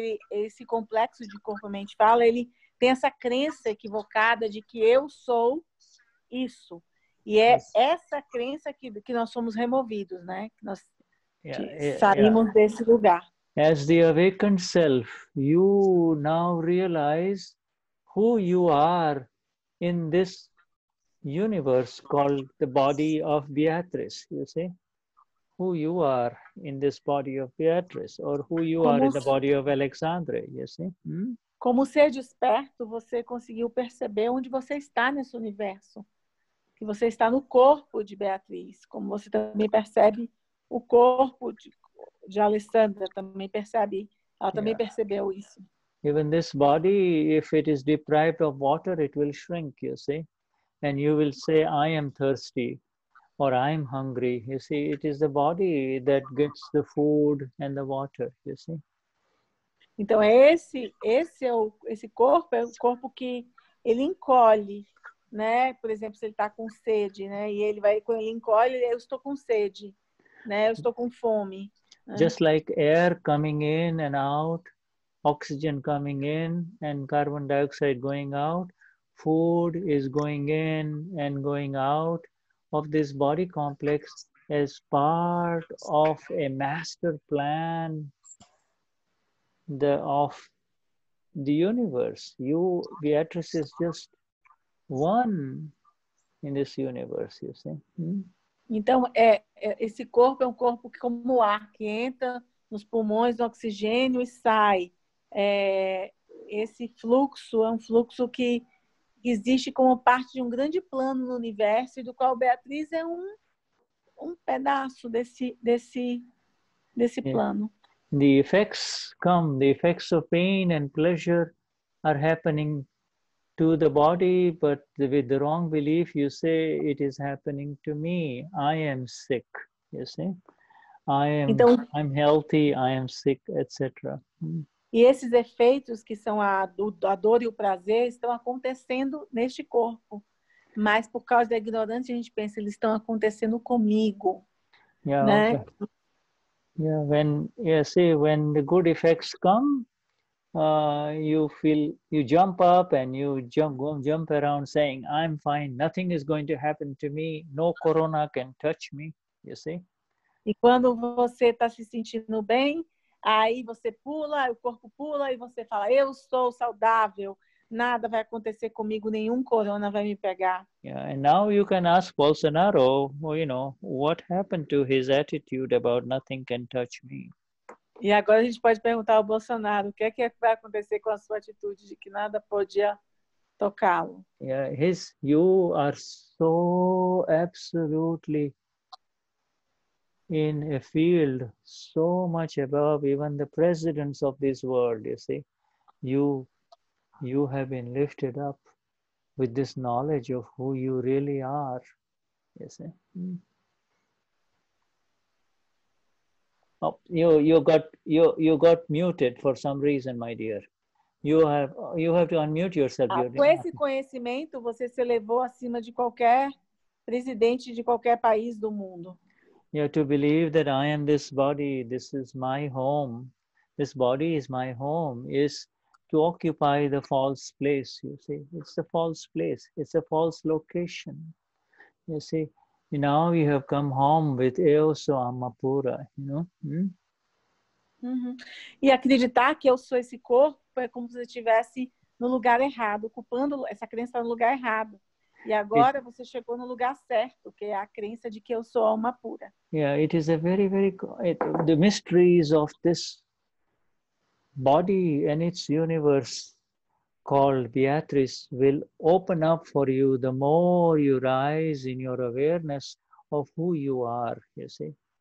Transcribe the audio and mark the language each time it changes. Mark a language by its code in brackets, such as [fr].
[pt] Esse complexo de corpo, mente, fala, ele tem essa crença equivocada de que eu sou isso. E é essa crença que nós somos removidos, né? Saímos desse lugar. [en] As the awakened self, you now realize who you are in this universe called the body of Beatrice, you see? Who you are in this body of Beatrice, or who you are in the body of Alexandre, you see? [pt] Como ser desperto, você conseguiu perceber onde você está nesse universo. Que você está no corpo de Beatriz, como você também percebe o corpo de Alexandre, também percebe, ela também percebeu isso. [en] Even this body, if it is deprived of water, it will shrink, you see? and you will say, I am thirsty or I am hungry. You see, it is the body that gets the food and the water, you see. [pt] Então, esse corpo é o corpo que ele encolhe, né? Por exemplo, se ele está com sede, né? E ele vai, quando ele encolhe, eu estou com sede, né? Eu estou com fome. [en] Just like air coming in and out, oxygen coming in and carbon dioxide going out, food is going in and going out of this body complex as part of a master plan of the universe. You, Beatrice, is just one in this universe, you see. [pt] Então, esse corpo é um corpo que, como o ar que entra nos pulmões, no oxigênio e sai. Esse fluxo é um fluxo que existe como parte de um grande plano no universo, do qual Beatriz é um pedaço desse plano. [en] The effects come, the effects of pain and pleasure are happening to the body, but with the wrong belief, you say it is happening to me. I am sick, you see. I'm healthy, I am sick, etc. [pt] E esses efeitos, que são a dor e o prazer, estão acontecendo neste corpo. Mas por causa da ignorância, a gente pensa, eles estão acontecendo comigo. [en] Yeah, né? Okay. Yeah, when the good effects come, you jump up and jump around saying, I'm fine, nothing is going to happen to me, no corona can touch me, you see? [pt] E quando você está se sentindo bem, aí você pula, o corpo pula e você fala, eu sou saudável, nada vai acontecer comigo, nenhum corona vai me pegar. [en] Yeah, and now you can ask Bolsonaro, well, you know, what happened to his attitude about nothing can touch me? [pt] E agora a gente pode perguntar ao Bolsonaro, o que é que vai acontecer com a sua atitude de que nada podia tocá-lo? [en] Yeah, you are so absolutely in a field so much above even the presidents of this world, you see. You have been lifted up with this knowledge of who you really are, you see. You got muted for some reason, my dear. You have to unmute yourself. [pt] Com esse conhecimento, você se elevou acima de qualquer presidente de qualquer país do mundo. [en] You have to believe that I am this body. This is my home. This body is my home. Is to occupy the false place. You see, it's a false place. It's a false location. You see. Now you have come home with [pt] eu sou alma pura, [en] you know? [pt] E acreditar que eu sou esse corpo é como se você estivesse no lugar errado, ocupando essa crença no lugar errado. E agora você chegou no lugar certo, que é a crença de que eu sou alma pura. [en] Yeah, it is a very, very... The mysteries of this body and its universe called Beatrice will open up for you the more you rise in your awareness of who you are, you see.